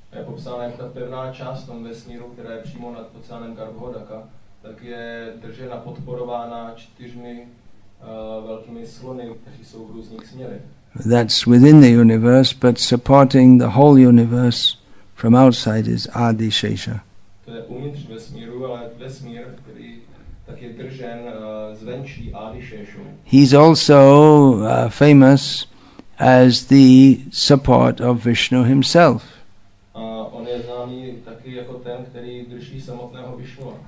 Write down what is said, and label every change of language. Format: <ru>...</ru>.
<cs>Je popsána ta pevná část tom vesmíru, která je přímo nad oceánem Garbhodaka, tak je držena, podporována čtyřmi velkými slony, kteří jsou v různých směrech.</cs> <en>That's within the universe, but supporting the whole universe from outside is Adi Shesha.</en> <cs>To je uvnitř vesmíru, ale vesmír, který tak je držen zvenčí Adi Shesha.</cs> <en>He's also famous as the support of Vishnu himself.</en> <cs>On je známý taky jako ten, který drží samotného Vishnu.</cs>